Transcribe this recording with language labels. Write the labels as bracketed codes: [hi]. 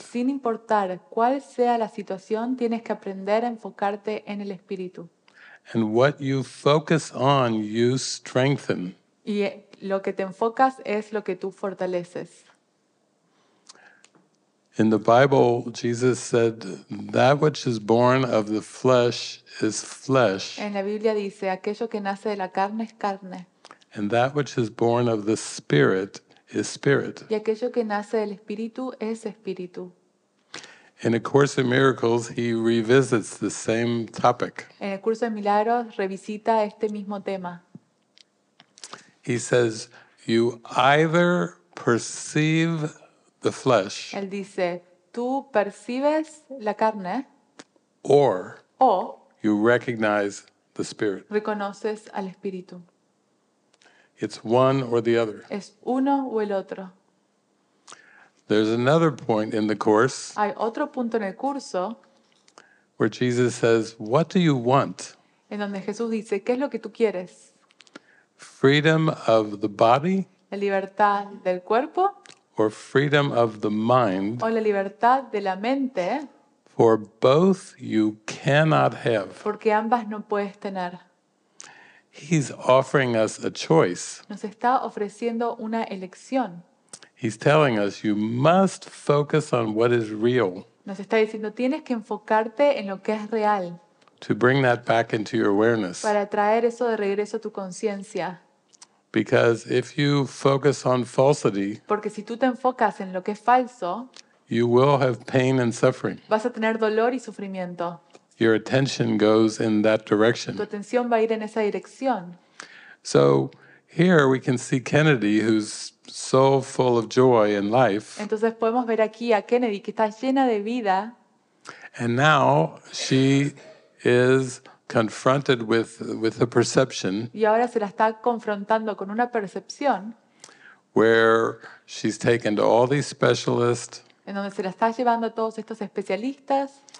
[es] Sin importar cuál sea la situación, tienes que aprender a enfocarte en el espíritu. [en] And what you focus on, you strengthen. [es] Y lo que te enfocas es lo que tú fortaleces. [en] In the Bible, Jesus said, "That which is born of the flesh is flesh." [es] En la Biblia dice, aquello que nace de la carne es carne. [en] And that which is born of the spirit is spirit. [es] Y aquello que nace del espíritu es espíritu. [en] In A Course in Miracles, he revisits the same topic. [es] En el curso de milagros revisita este mismo tema. [en] He says, "You either perceive the flesh." [es] Él dice, tú percibes la carne. [en] Or. [es] O. [en] You recognize the spirit. [es] Reconoces al espíritu. [en] It's one or the other. [es] Es uno o el otro. [en] There's another point in the course. [es] Hay otro punto en el curso. [en] Where Jesus says, "What do you want?" [es] En donde Jesús dice, ¿qué es lo que tú quieres? [en] Freedom of the body. [es] La libertad del cuerpo. [en] Or freedom of the mind. [es] O la libertad de la mente. [en] For both you cannot have. [es] Porque ambas no puedes tener. [en] He's offering us a choice. [es] Nos está ofreciendo una elección. [en] He's telling us you must focus on what is real. [es] Nos está diciendo tienes que enfocarte en lo que es real. [en] To bring that back into your awareness. [es] Para traer eso de regreso a tu conciencia. [en] Because if you focus on falsity, [es] porque si tú te enfocas en lo que es falso, [en] you will have pain and suffering. [es] Vas a tener dolor y sufrimiento. [en] Your attention goes in that direction. [es] Tu atención va a ir en esa dirección. [en] So here we can see Kennedy, who's so full of joy and life. [es] Entonces podemos ver aquí a Kennedy que está llena de vida. [en] And now she is confronted with a perception. [es] Y ahora se la está confrontando con una percepción. [en] Where she's taken to all these specialists. [es] En donde se la está llevando a todos estos especialistas.